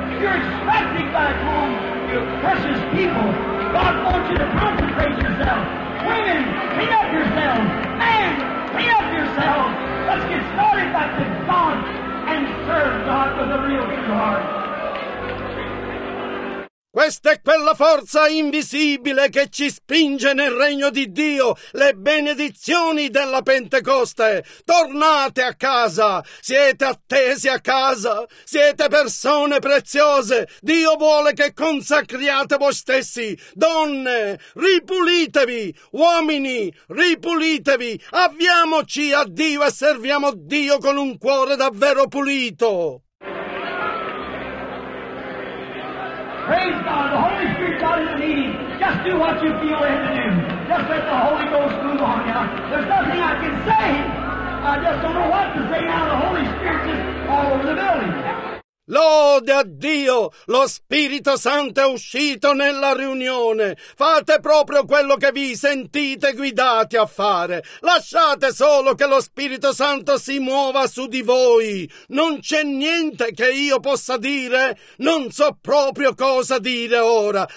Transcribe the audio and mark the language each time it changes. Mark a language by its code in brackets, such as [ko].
[en] you're expecting back home. You precious people. God wants you to consecrate yourself. Women, clean up yourselves. Men, clean up yourselves. Let's get started back to God and serve God with a real true heart. [it] Questa è quella forza invisibile che ci spinge nel regno di Dio, le benedizioni della Pentecoste. Tornate a casa, siete attesi a casa, siete persone preziose. Dio vuole che consacriate voi stessi. Donne, ripulitevi. Uomini, ripulitevi. Avviamoci a Dio e serviamo Dio con un cuore davvero pulito. [en] Praise God, the Holy Spirit is not in the meeting. Just do what you feel you have to do. Just let the Holy Ghost move on now. There's nothing I can say. I just don't know what to say now. The Holy Spirit is all over the building. [it] Lode a Dio, lo Spirito Santo è uscito nella riunione. Fate proprio quello che vi sentite guidati a fare. Lasciate solo che lo Spirito Santo si muova su di voi. Non c'è niente che io possa dire, non so proprio cosa dire ora.